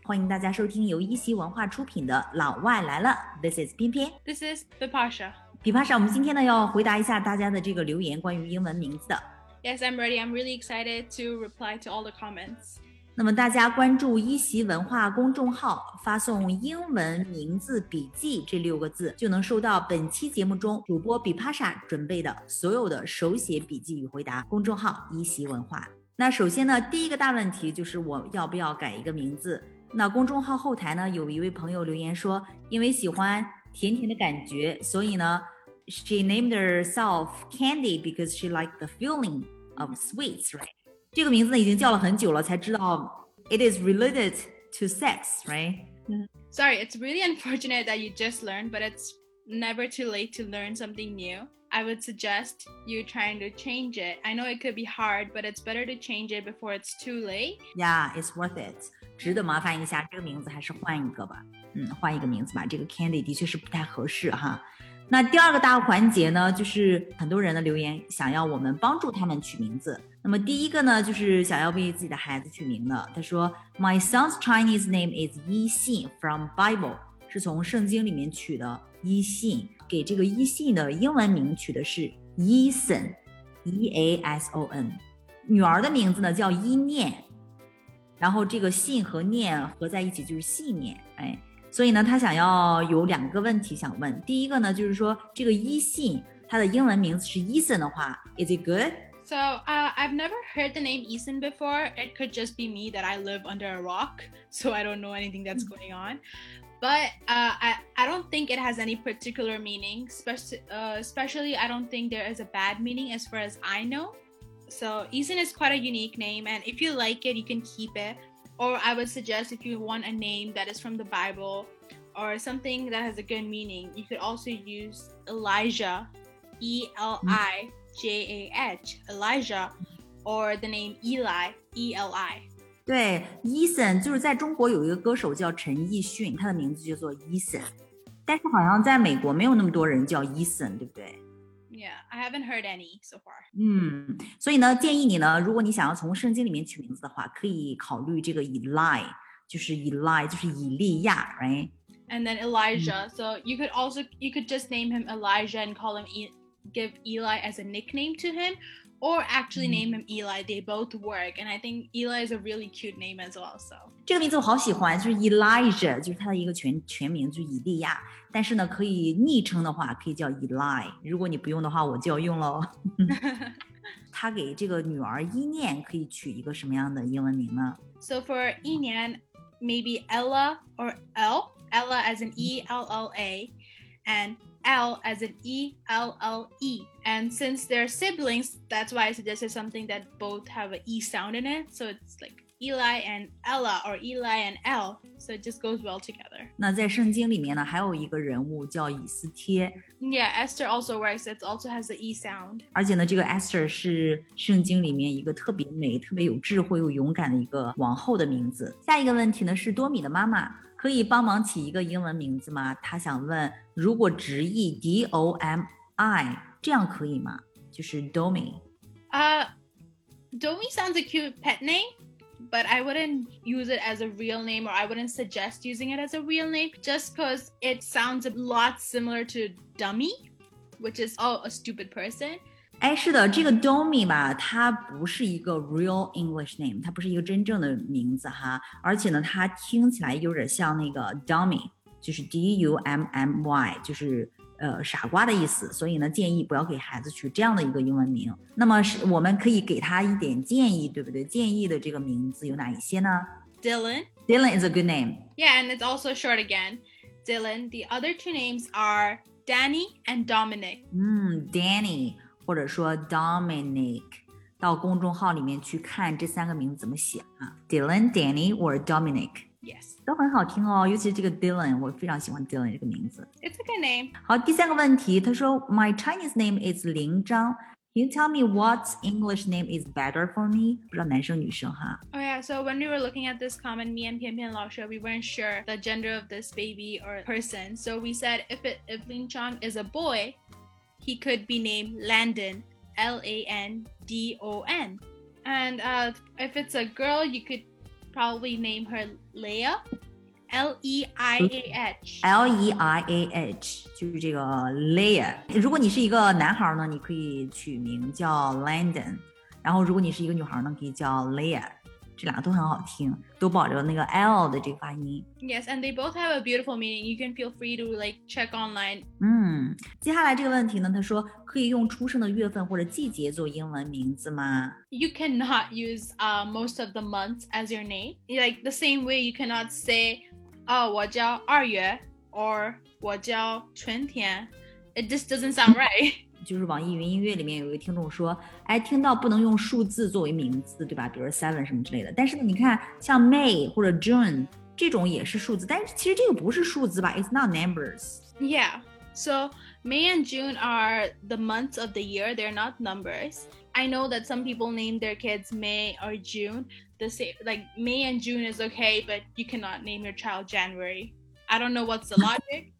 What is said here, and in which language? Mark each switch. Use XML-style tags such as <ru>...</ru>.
<zh>欢迎大家收听由一席文化出品的《老外来了》。</zh> <en>This is 翩翩。 This is Bipasha.</en> <zh>Bipasha, 我们今天呢要回答一下大家的这个留言关于英文名字的。</zh> <en>Yes, I'm ready. I'm really excited to reply to all the comments.</en> <zh>那么大家关注一席文化公众号，发送英文名字笔记这六个字，就能收到本期节目中主播比帕莎准备的所有的手写笔记与回答。公众号一席文化。那首先呢，第一个大问题就是我要不要改一个名字。那公众号后台呢，有一位朋友留言说，因为喜欢甜甜的感觉，所以呢</zh> <en>She named herself Candy because she liked the feeling of sweets, right?</en> <zh>这个名字已经叫了很久了才知道</zh> <en>It is related to sex, right? Sorry, it's really unfortunate that you just learned, but it's never too late to learn something new. I would suggest you trying to change it. I know it could be hard, but it's better to change it before it's too late. Yeah, it's worth it.</en> <zh>值得麻烦一下，这个名字还是换一个吧。换一个名字吧，这个 Candy 的确是不太合适哈。那第二个大环节呢，就是很多人的留言想要我们帮助他们取名字。那么第一个呢，就是想要为自己的孩子取名的。他说</zh> <en>My son's Chinese name is Yi Xin from Bible,</en> <zh>是从圣经里面取的 Yi Xin, 给这个 Yi Xin 的英文名取的是 Yason, E-A-S-O-N。女儿的名字呢叫伊念，然后这个信和念合在一起就是信念，哎，所以呢他想要有两个问题想问。第一个呢就是说这个伊信他的英文名字是 Eason 的话</zh> <en>Is it good? So, I've never heard the name Eason before. It could just be me that I live under a rock, so I don't know anything that's going on. But I don't think it has any particular meaning, especially I don't think there is a bad meaning as far as I know. So, Eason is quite a unique name, and if you like it, you can keep it. Or I would suggest if you want a name that is from the Bible or something that has a good meaning, you could also use Elijah, E-L-I. J-A-H, Elijah, or the name Eli, E-L-I.</en> <zh>对 ,Eason, 就是在中国有一个歌手叫陈奕迅，他的名字叫做 Eason. 但是好像在美国没有那么多人叫 Eason, 对不对</zh> <en>?Yeah, I haven't heard any so far.</en> <zh>所以呢建议你呢，如果你想要从圣经里面取名字的话，可以考虑这个 Eli, 就是 Eli, 就是以利亚 ,right?</zh> <en>And then Elijah, so you could just name him Elijah and call him give Eli as a nickname to him, or actually name him Eli. They both work, and I think Eli is a really cute name as well. So,</en> <zh>这个名字我好喜欢，就是 Elijah, 就是他的一个全名，就是以利亚。但是呢，可以昵称的话，可以叫 Eli。如果你不用的话，我就要用喽。他给这个女儿伊念可以取一个什么样的英文名呢</zh> <en>？So for 伊念 maybe Ella or L. Ella as in E-L-L-A, and. L as in E-L-L-E. And since they're siblings, that's why I suggested something that both have an E sound in it. So it's like Eli and Ella or Eli and L. So it just goes well together.</en> <zh>那在圣经里面呢还有一个人物叫以斯帖。</zh> <en>Yeah, Esther also works. It also has an E sound.</en> <zh>而且呢这个 Esther 是圣经里面一个特别美特别有智慧又勇敢的一个王后的名字。下一个问题呢是多米的妈妈。可以帮忙起一个英文名字吗？他想问，如果直译 D-O-M-I, 这样可以吗？就是 Domi. Domi sounds a cute pet name, but I wouldn't use it as a real name, or I wouldn't suggest using it as a real name, just because it sounds a lot similar to dummy, which is, oh, a stupid person. 哎，是的，这个 Domi 吧，它不是一个</zh> <en>real English name，</en> <zh>它不是一个真正的名字哈。而且呢，它听起来有点像那个 dummy， 就是 D-U-M-M-Y， 就是傻瓜的意思。所以呢，建议不要给孩子取这样的一个英文名。那么是我们可以给他一点建议，对不对？建议的这个名字有哪一些呢</zh> <en>？Dylan。 Dylan is a good name. Yeah, and it's also short again. Dylan. The other two names are Danny and Dominic. Danny.</en> <zh>或者说 Dominic, 到公众号里面去看这三个名字怎么写啊 ,Dylan, Danny, or Dominic.</zh> <en>Yes.</en> <zh>都很好听哦，尤其是这个 Dylan, 我非常喜欢 Dylan 这个名字。</zh> <en>It's a good name.</en> <zh>好，第三个问题，他说</zh> <en>My Chinese name is</en> <zh>林章。</zh> <en>Can you tell me what English name is better for me?</en> <zh>不知道男生女生哈。</zh> <en>Oh yeah, so when we were looking at this comment, me and 翩翩老师, we weren't sure the gender of this baby or person. So we said if Lin Chang is a boy,He could be named Landon, Landon. And if it's a girl, you could probably name her Leia. L-E-I-A-H.</en> <zh>L-E-I-A-H. 就是这个 Leia。如果你是一个男孩呢，你可以取名叫 Landon。然后如果你是一个女孩呢，可以叫 Leia。这俩都很好听，都保留那个 L 的这个发音。</zh> <en>Yes, and they both have a beautiful meaning. You can feel free to like check online.</en> <zh>嗯，接下来这个问题呢，他说可以用出生的月份或者季节做英文名字吗？</zh> <en>You cannot use most of the months as your name. Like the same way you cannot say, oh,</en> <zh>我叫二月</zh> <en>or</en> <zh>我叫春天.</zh> <en>It just doesn't sound right.</en> <zh>就是网易云音乐里面有一个听众说，哎，听到不能用数字作为名字，对吧？比如 seven 什么之类的。但是你看，像 May 或者 June 这种也是数字，但是其实这个不是数字吧 ？</zh> <en>It's not numbers. Yeah. So May and June are the months of the year. They're not numbers. I know that some people name their kids May or June. The same, like May and June is okay, but you cannot name your child January. I don't know what's the logic.</en>